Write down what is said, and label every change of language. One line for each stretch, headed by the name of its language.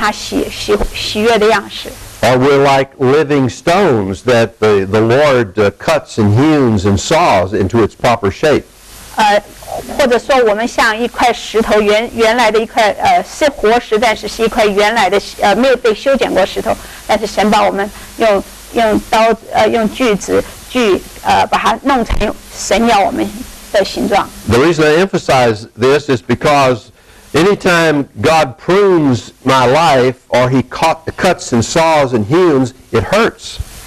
English: Are we like living stones that the Lord cuts and hews and saws into its proper shape?
Chinese: 或者说我们像一块石头原来的一块是活石但是是一块原来的没有被修剪过石头但是神把我们用刀用锯子锯把它弄成神要我们的形状
English: The reason I emphasize this is because anytime God prunes my life or he cuts and saws and hews, it hurts.